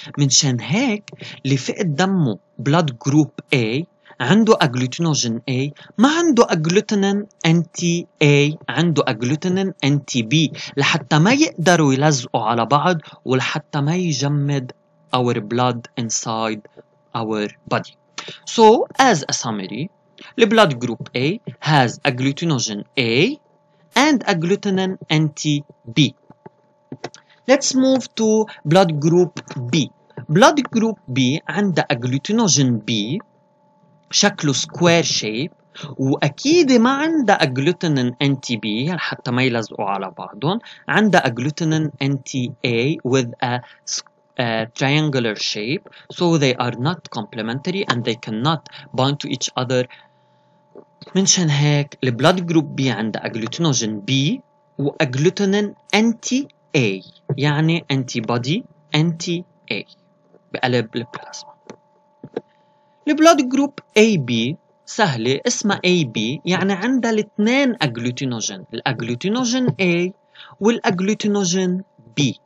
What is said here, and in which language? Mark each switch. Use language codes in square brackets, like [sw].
[ar] منشان هيك لفئة دمه [en] blood group A [ar] عنده أجلوتينوجين A, ما عنده أجلوتينين أنتي A, عنده أجلوتينين أنتي B لحتى ما يقدروا يلزقوا على بعض ولحتى ما يجمد [en] our blood inside our body. So as a summary, the blood group A has agglutinogen A and agglutinin anti B. Let's move to blood group B. Blood group B [ar] عنده أجلوتينوجين B شكله سكوير شيب وأكيد ما عنده أجلوتينين أنتي بي حتى ما يلزقوا على بعضهم, عنده [en] Agglutinin anti A with a triangular shape, so they are not complementary and they cannot bind to each other. [ar] منشان هيك البلاد جروب B عنده أجلوتينوجين B وأجلوتينين أنتي A يعني antibody أنتي A بقلب البلازما. البلود جروب AB سهلة, اسمها AB يعني عندها الاثنين أجلوتينوجين, الأجلوتينوجين A والأجلوتينوجين B.